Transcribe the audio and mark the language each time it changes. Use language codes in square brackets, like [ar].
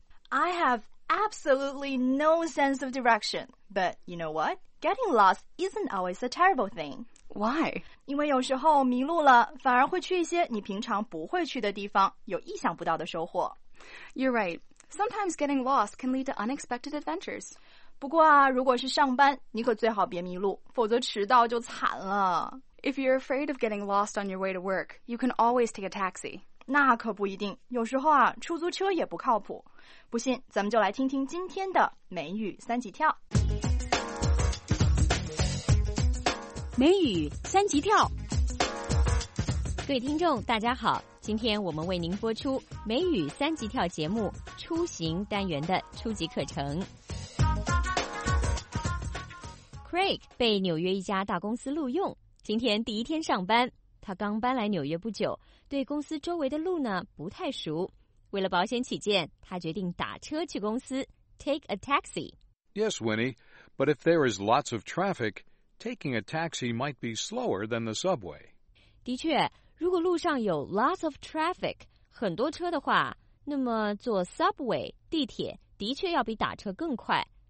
[en] I have absolutely no sense of direction, but you know what? Getting lost isn't always a terrible thing. Why? [zh] 因为有时候迷路了，反而会去一些你平常不会去的地方，有意想不到的收获。 [en] You're right. Sometimes getting lost can lead to unexpected adventures. [zh] 不过啊，如果是上班，你可最好别迷路，否则迟到就惨了。 [en] If you're afraid of getting lost on your way to work, you can always take a taxi. [zh] 那可不一定，有时候啊，出租车也不靠谱。不信，咱们就来听听今天的美语三级跳。美语三级跳。各位听众，大家好，今天我们为您播出美语三级跳节目出行单元的初级课程。 Craig 被纽约一家大公司录用，今天第一天上班。他刚搬来纽约不久，对公司周围的路呢不太熟。为了保险起见，他决定打车去公司 ， [en] take a taxi. Yes, Winnie, but if there is lots of traffic, taking a taxi might be slower than the subway. [zh] 的确，如果路上有 [en] lots of traffic, [zh] 很多车的话，那么坐 subway 地铁的确要比打车更快。